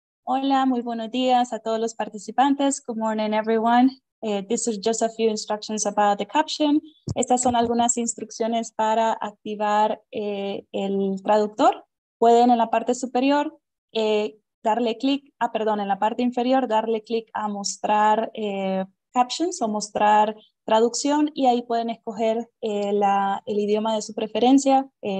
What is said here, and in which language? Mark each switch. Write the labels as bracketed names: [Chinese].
[Spanish] Hola, muy buenos días a todos los participantes. [English] Good morning, everyone. This is just a few instructions about the caption. [Spanish] Estas son algunas instrucciones para activar el traductor. Pueden en la parte superior darle clic, en la parte inferior darle clic a mostrar captions o mostrar traducción y ahí pueden escoger el idioma de su preferencia.